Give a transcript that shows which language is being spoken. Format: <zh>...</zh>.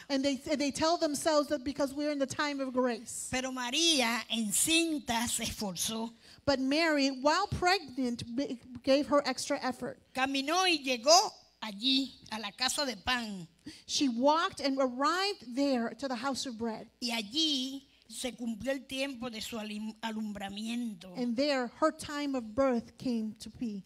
<en>And they tell themselves that because we're in the time of grace.</en> <es>Pero María encinta se esforzó.</es> <en>But Mary, while pregnant, gave her extra effort.</en> <es>Caminó y llegó allí a la casa de pan.</es> <en>She walked and arrived there to the house of bread.</en> <es>Y allí se cumplió el tiempo de su alumbramiento.</es> <en>And there, her time of birth came to be.</en>